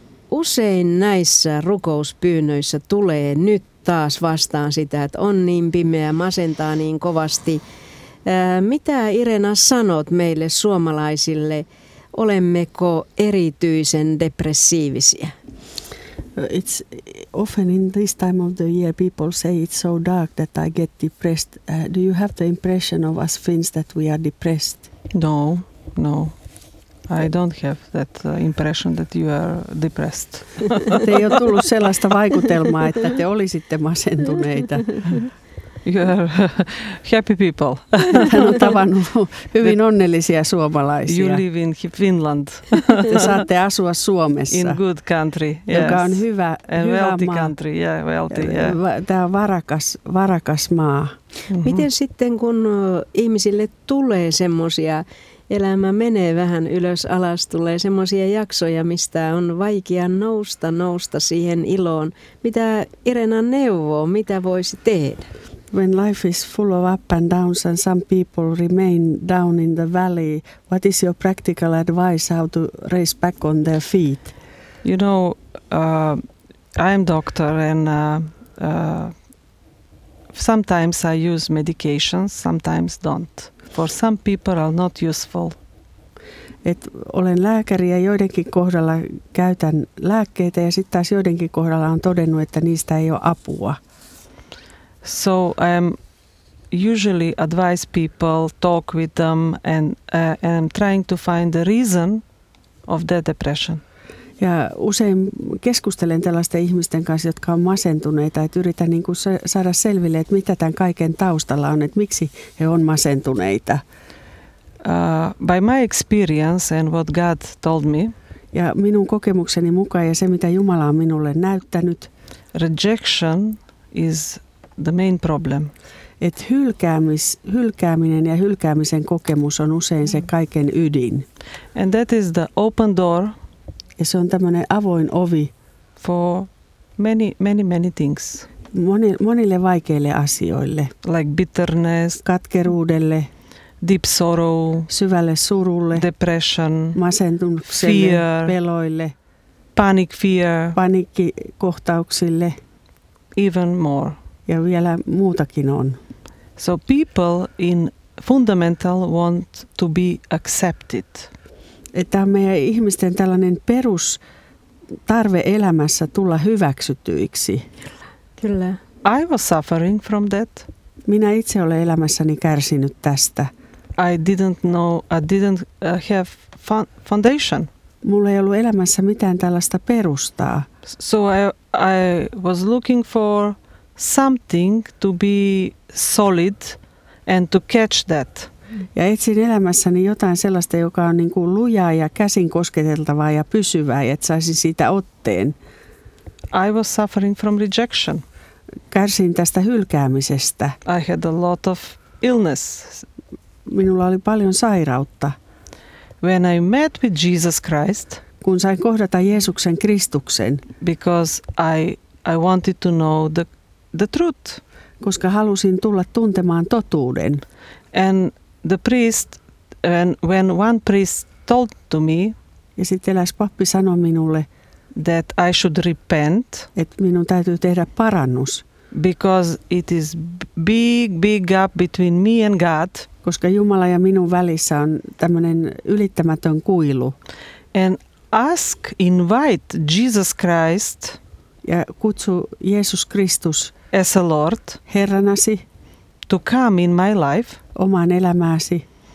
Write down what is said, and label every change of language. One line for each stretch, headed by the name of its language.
Finnish: Usein näissä rukouspyynnöissä tulee nyt taas vastaan sitä, että on niin pimeä, masentaa niin kovasti. Mitä Irena sanot meille suomalaisille? Olemmeko erityisen depressiivisiä?
English: It's often in this time of the year people say it's so dark that I get depressed. Do you have the impression of us Finns that we are depressed? No. I don't have that impression that you are depressed.
Finnish: Ei ole tullut sellaista vaikutelmaa, että te olisitte masentuneita.
English: You are happy people.
Finnish: Hän on tavannut hyvin onnellisia suomalaisia.
English: You live in Finland.
Finnish: Te saatte asua Suomessa.
English: In good country, yes.
Finnish: Joka on hyvä,
English: and
Finnish: hyvä
English: wealthy
Finnish: maa.
English: Country, yeah, wealthy, yeah.
Finnish: Tämä on varakas maa. Mm-hmm. Miten sitten, kun ihmisille tulee semmoisia, elämä menee vähän ylös alas, tulee semmoisia jaksoja, mistä on vaikea nousta siihen iloon. Mitä Irena neuvoo, mitä voisi tehdä?
English: When life is full of up and downs and some people remain down in the valley, what is your practical advice how to raise back on their feet? You know, I'm doctor and sometimes I use medications, sometimes don't. For some people are not useful.
Finnish: Et olen lääkäri ja joidenkin kohdalla käytän lääkkeitä ja sitten taas joidenkin kohdalla on todennut, että niistä ei ole apua.
English: So I usually advise people, talk with them and I'm trying to find the reason of their depression.
Finnish: Ja usein keskustelen tällaisten ihmisten kanssa, jotka on masentuneita, että yritän niin kuin saada selville, että mitä tämän kaiken taustalla on, että miksi he on masentuneita.
English: By my experience and what God told me.
Finnish: Ja minun kokemukseni mukaan ja se, mitä Jumala on minulle näyttänyt.
English: Rejection is the main problem.
Finnish: Et hylkääminen ja hylkäämisen kokemus on usein se kaiken ydin.
English: And that is the open door.
Finnish: Ja se on tämmöinen avoin ovi
English: for many things.
Finnish: Monille vaikeille asioille.
English: Like bitterness,
Finnish: katkeruudelle,
English: deep sorrow,
Finnish: syvälle surulle,
English: depression,
Finnish: masentumiselle,
English: fear,
Finnish: peloille,
English: panic fear,
Finnish: paniikkikohtauksille,
English: even more.
Finnish: Ja vielä muutakin on.
English: So people in fundamental want to be accepted.
Finnish: Että on meidän ihmisten tällainen perus tarve elämässä tulla hyväksytyiksi. Kyllä.
English: I was suffering from that.
Finnish: Minä itse olen elämässäni kärsinyt tästä.
English: I didn't have foundation.
Finnish: Mulla ei ollut elämässä mitään tällaista perustaa.
English: So I was looking for something to be solid and to catch that.
Finnish: Ja etsin elämässäni jotain sellaista, joka on niin kuin lujaa ja käsin kosketeltavaa ja pysyvää, että saisin siitä otteen.
English: I was suffering from rejection.
Finnish: Kärsin tästä hylkäämisestä.
English: I had a lot of illness.
Finnish: Minulla oli paljon sairautta.
English: When I met with Jesus Christ.
Finnish: Kun sain kohdata Jeesuksen Kristuksen.
English: Because I wanted to know the truth.
Finnish: Koska halusin tulla tuntemaan totuuden.
English: And the priest, when one priest told to me,
Finnish: ja sitten eläs pappi sanoi minulle,
English: that I should repent,
Finnish: että minun täytyy tehdä parannus,
English: because it is big gap between me and God,
Finnish: koska Jumala ja minun välissä on tämmöinen ylittämätön kuilu,
English: and invite Jesus Christ,
Finnish: ja kutsu Jeesus Kristus
English: as a Lord,
Finnish: Herranasi,
English: to come in my life,
Finnish: omaan elämääsi.